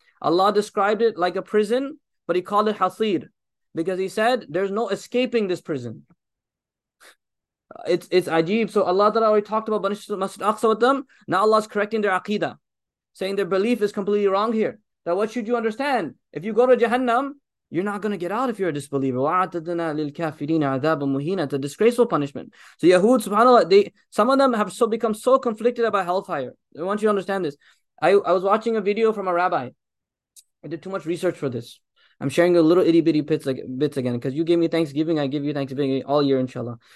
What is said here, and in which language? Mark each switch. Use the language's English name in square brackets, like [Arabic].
[English] Allah described it like a prison, but he called it hasir, because he said there's no escaping this prison. It's ajeeb. So Allah that already talked about Masjid Aqsa with them, now Allah's correcting their aqidah, saying their belief is completely wrong here. Now what should you understand? If you go to Jahannam, you're not going to get out if you're a disbeliever. [Arabic] وَعَتَدْنَا لِلْكَافِرِينَ عَذَابًا مُهِينًا. [English] It's a disgraceful punishment. So Yahud, subhanAllah, some of them have so become so conflicted about hellfire. I want you to understand this. I was watching a video from a rabbi. I did too much research for this. I'm sharing a little itty bitty bits again, because you gave me Thanksgiving, I give you Thanksgiving all year, inshallah.